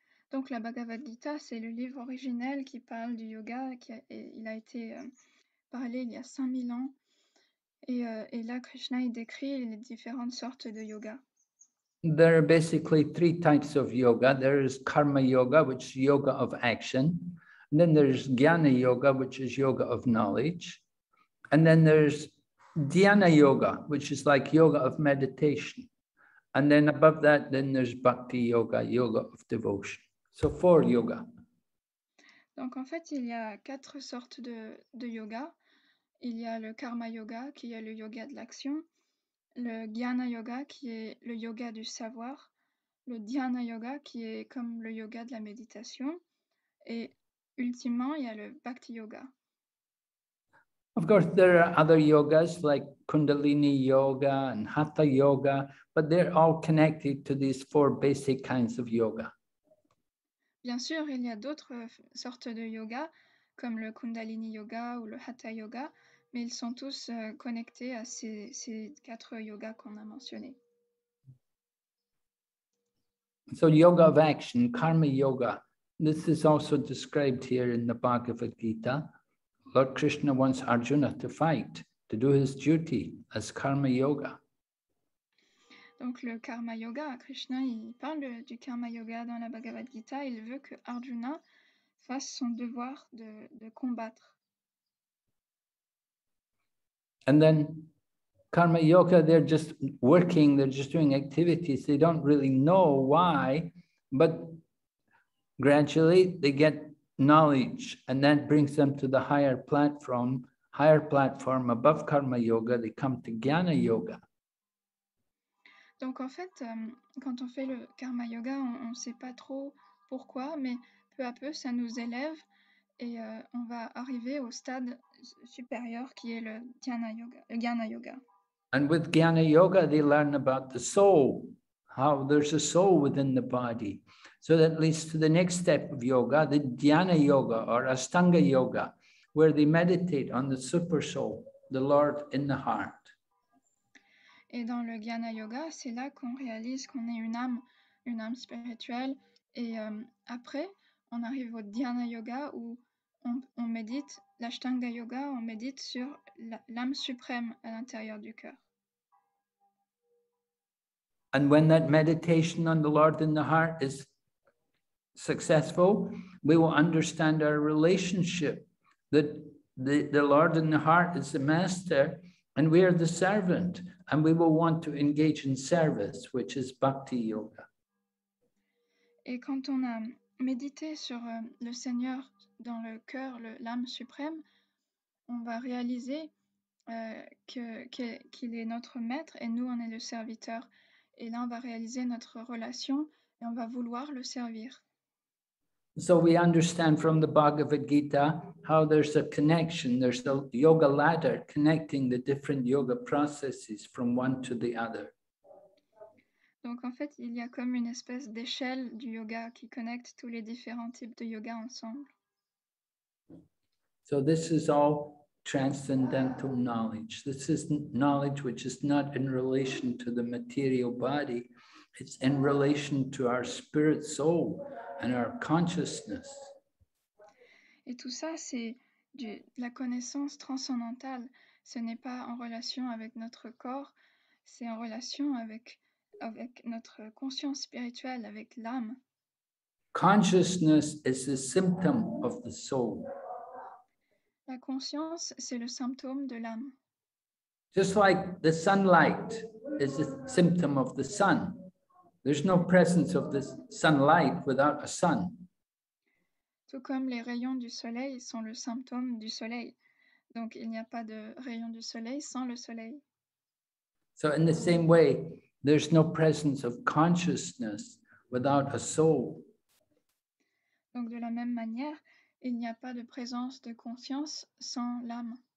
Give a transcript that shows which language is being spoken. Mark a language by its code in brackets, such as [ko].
[fr] Donc la Bhagavad Gita, c'est le livre originel qui parle du yoga, il a été parlé il y a 5000 ans, et là Krishna il décrit les différentes sortes de yoga. [en] There are basically three types of yoga. There is karma yoga, which is yoga of action. And then there's jnana yoga, which is yoga of knowledge. And then there's dhyana yoga, which is like yoga of meditation. And then above that, then there's bhakti yoga, yoga of devotion. So four yoga. [fr] Donc en fait, il y a quatre sortes de yoga. Il y a le karma yoga, qui est le yoga de l'action. Le jnana yoga, qui est le yoga du savoir. Le dhyana yoga, qui est comme le yoga de la méditation. Et ultimement, il y a le bhakti yoga. [en] Of course, there are other yogas like kundalini yoga and hatha yoga, but they're all connected to these four basic kinds of yoga. [fr] Bien sûr, il y a d'autres sortes de yoga, comme le kundalini yoga ou le hatha yoga, mais ils sont tous connectés à ces quatre yogas qu'on a mentionnés. [en] So yoga of action, karma yoga, this is also described here in the Bhagavad Gita. Lord Krishna wants Arjuna to fight, to do his duty as karma yoga. [fr] Donc le karma yoga, Krishna il parle du karma yoga dans la Bhagavad Gita, il veut que Arjuna fasse son devoir de combattre. [en] And then karma yoga, they're just working, they're just doing activities. They don't really know why, but gradually they get knowledge, and that brings them to the higher platform above karma yoga, they come to jnana yoga. [fr] Donc en fait, quand on fait le karma yoga, on ne sait pas trop pourquoi, mais peu à peu, ça nous élève. Et on va arriver au stade supérieur qui est le jnana yoga. [en] And with jnana yoga, they learn about the soul, how there's a soul within the body. So that leads to the next step of yoga, the jnana yoga or Ashtanga yoga, where they meditate on the super soul, the Lord in the heart. [fr] Et dans le jnana yoga, c'est là qu'on réalise qu'on est une âme spirituelle. Et après, on arrive au dhyana yoga où on médite, l'ashtanga yoga, on médite sur l'âme suprême à l'intérieur du cœur. [en] And when that meditation on the Lord in the heart is successful, we will understand our relationship, that the Lord in the heart is the master and we are the servant, and we will want to engage in service, which is bhakti yoga. [fr] Et quand on a méditer sur le Seigneur dans le cœur, l'âme suprême, on va réaliser qu'il est notre maître et nous, on est le serviteur. Et là, on va réaliser notre relation et on va vouloir le servir. [en] So we understand from the Bhagavad Gita how there's a connection, there's a yoga ladder connecting the different yoga processes from one to the other. [fr] Donc en fait, il y a comme une espèce d'échelle du yoga qui connecte tous les différents types de yoga ensemble. [en] So this is all transcendental knowledge. This is knowledge which is not in relation to the material body. It's in relation to our spirit soul and our consciousness. [fr] Et tout ça, c'est de la connaissance transcendantale. Ce n'est pas en relation avec notre corps, c'est en relation avec notre conscience spirituelle, avec l'âme. [en] Consciousness is a symptom of the soul. [fr] La conscience, c'est le symptôme de l'âme. [en] Just like the sunlight is a symptom of the sun. There's no presence of this sunlight without a sun. [fr] Tout comme les rayons du soleil sont le symptôme du soleil. Donc il n'y a pas de rayons du soleil sans le soleil. [en] So in the same way, there's no presence of consciousness without a soul. [fr] Donc de la même manière, il n'y a pas de présence de conscience sans l'âme.